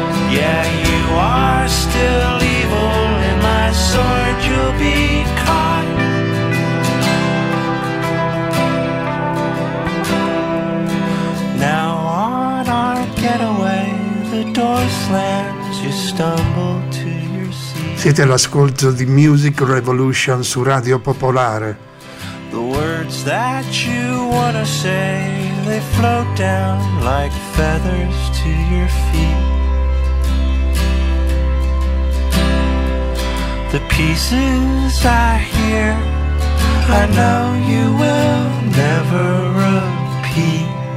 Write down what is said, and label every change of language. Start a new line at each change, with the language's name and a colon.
English: Yeah, you are still evil. And my sword, you'll be caught. Now on our getaway, the door slams, you stumble to your seat.
Italian: Siete all'ascolto di Music Revolution su Radio Popolare.
English: The words that you wanna say, they float down like feathers to your feet. The pieces I hear, I know you will never repeat.